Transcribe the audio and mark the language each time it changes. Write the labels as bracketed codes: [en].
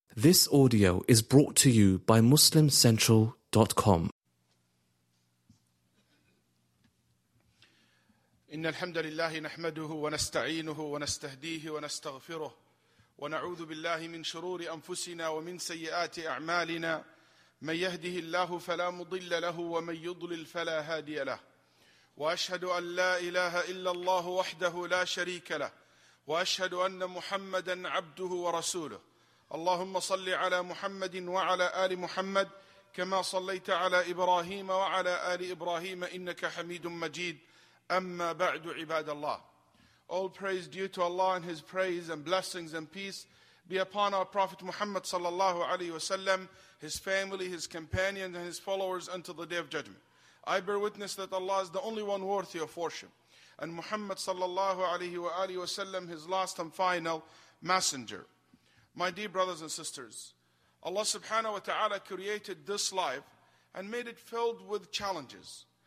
[en] This audio is brought to you by MuslimCentral.com. [ar] إن الحمد لله نحمده ونستعينه ونستهديه ونستغفره ونعوذ بالله من شرور أنفسنا ومن سيئات أعمالنا من يهده الله فلا مضل له ومن يضلل فلا هادي له وأشهد أن لا إله إلا الله وحده لا شريك له وأشهد أن محمدًا عبده ورسوله اللهم صل على محمد وعلى آل محمد كما صليت على إبراهيم وعلى آل إبراهيم إنك حميد مجيد أما بعد عباد الله [en] All praise due to Allah and His praise and blessings and peace be upon our Prophet Muhammad sallallahu alayhi wa sallam, his family, his companions and his followers until the Day of Judgment. I bear witness that Allah is the only one worthy of worship. And Muhammad sallallahu alayhi wa alihi wa sallam, his last and final messenger. My dear brothers and sisters, Allah subhanahu wa ta'ala created this life and made it filled with challenges.